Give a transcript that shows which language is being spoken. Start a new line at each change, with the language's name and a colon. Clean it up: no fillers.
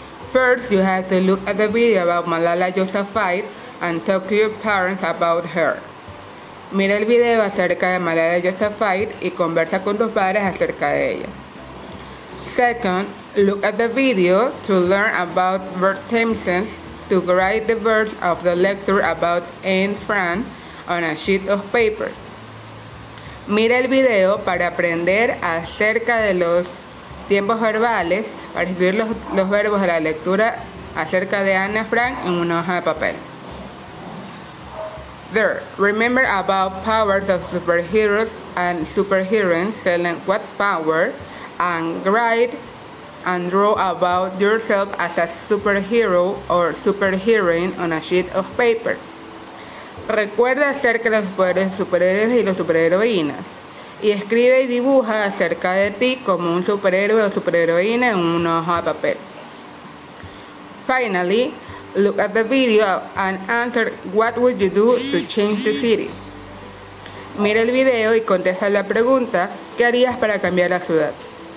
English: First, you have to look at the video about Malala Yousafzai and talk to your parents about her.
Spanish: Mira el video acerca de Malala Yousafzai y conversa con tus padres acerca de ella.
English: Second, look at the video to learn about verb tenses to write the verbs of the lecture about Anne Frank on a sheet of paper.
Spanish: Mira el video para aprender acerca de los tiempos verbales para escribir los verbos de la lectura acerca de Anne Frank en una hoja de papel.
English: Third, remember about powers of superheroes and superheroines, selling what power and write and draw about yourself as a superhero or superheroine on a sheet of paper.
Spanish: Recuerda acerca de los poderes de superhéroes y los superheroínas. Y escribe y dibuja acerca de ti como un superhéroe o superheroína en un hoja de papel.
English: Finally, look at the video and answer what would you do to change the city.
Spanish: Mira el video y contesta la pregunta, ¿qué harías para cambiar la ciudad?